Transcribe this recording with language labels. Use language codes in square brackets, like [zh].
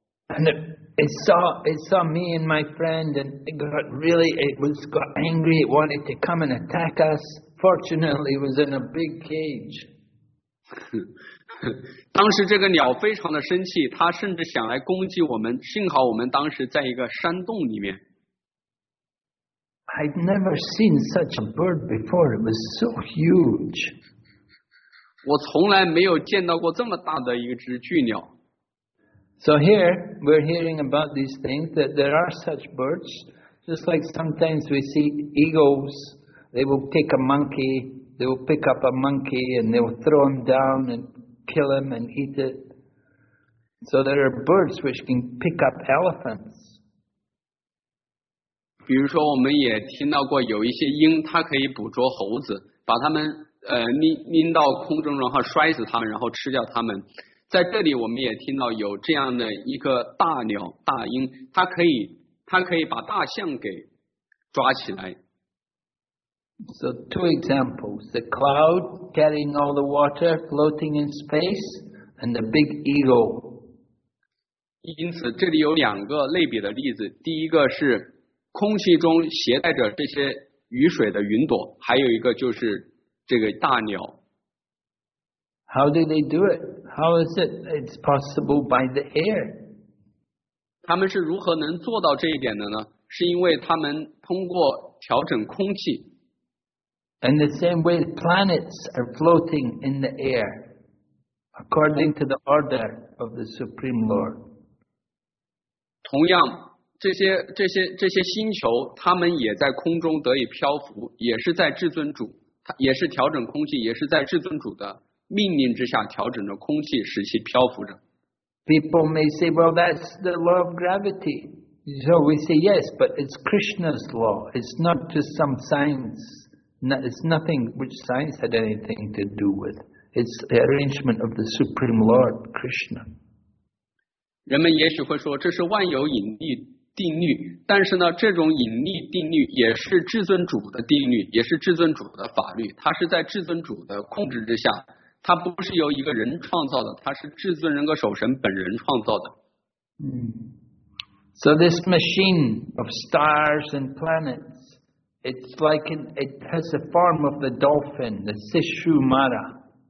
[en] And it saw me and my friend, and it got angry, it wanted to come and attack us. Fortunately, it was in a big cage. [zh] 当时这个鸟非常的生气，它甚至想来攻击我们，幸好我们当时在一个山洞里面。 [en] I'd never seen such a bird before, it was so huge. [zh] 我从来没有见到过这么大的一只巨鸟。 [en] So here, we're hearing about these things, that there are such birds, just like sometimes we see eagles, they will take a monkey, they will pick up a monkey, and they will throw him down and kill him and eat it. So there are birds which can pick up elephants. [zh] 比如说我们也听到过有一些鹰，它可以捕捉猴子，把它们拎到空中，然后摔死他们，然后吃掉他们。在这里我们也听到有这样的一个大鸟大鹰，它可以把大象给抓起来。 [en] So two examples, the cloud carrying all the water floating in space and the big eagle. [zh] 因此这里有两个类比的例子，第一个是空气中携带着这些雨水的云朵，还有一个就是这个大鸟。 [en] How do they do it? How is it's possible by the air? [zh] 他们是如何能做到这一点的呢？是因为他们通过调整空气。 [en] In the same way, planets are floating in the air, according to the order of the Supreme Lord. [zh] 同样，这些星球，它们也在空中得以漂浮，也是在至尊主，也是调整空气，也是在至尊主的命令之下调整着空气，使其漂浮着。 [en] People may say, "Well, that's the law of gravity." So we say yes, but it's Krishna's law. It's not just some science. It's nothing which science had anything to do with. It's the arrangement of the Supreme Lord, Krishna. [zh] 人们也许会说这是万有引力定律，但是呢，这种引力定律也是至尊主的定律，也是至尊主的法律，它是在至尊主的控制之下，它不是由一个人创造的，它是至尊人格守神本人创造的。 [en] So this machine of stars and planets,It's like it has a form of the dolphin, the Sishumara.